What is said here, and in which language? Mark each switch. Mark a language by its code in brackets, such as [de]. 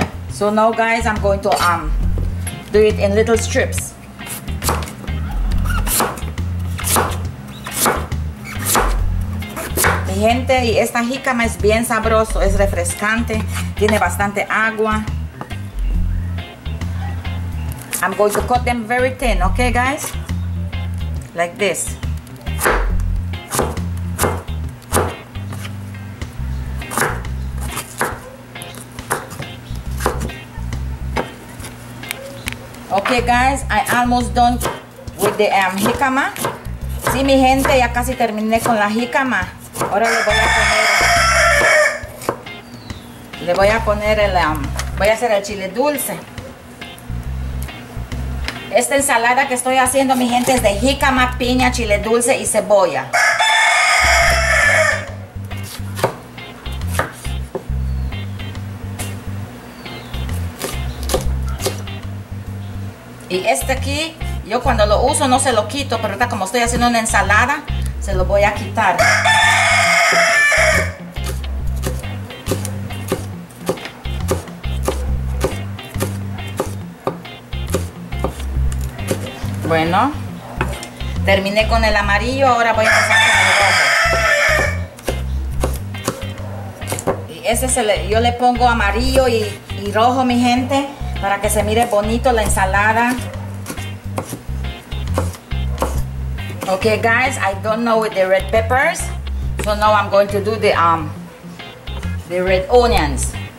[en] So now, guys, I'm going to do it in little strips. [es] Mi gente, y esta jícama es bien sabroso, es refrescante, tiene bastante agua. [en] I'm going to cut them very thin, okay guys? Like this. Okay guys, I almost done with the jicama. [es] Sí, mi gente, ya casi terminé con la jicama. Ahora voy a hacer el chile dulce. Esta ensalada que estoy haciendo, mi gente, es de jicama, piña, chile dulce y cebolla. Y este aquí, yo cuando lo uso no se lo quito, pero ahorita como estoy haciendo una ensalada, se lo voy a quitar. Bueno, terminé con el amarillo, ahora voy a empezar con el rojo. Y ese yo le pongo amarillo y rojo, mi gente, para que se mire bonito la ensalada. [en] Okay guys, I don't know with the red peppers, so now I'm going to do the red onions.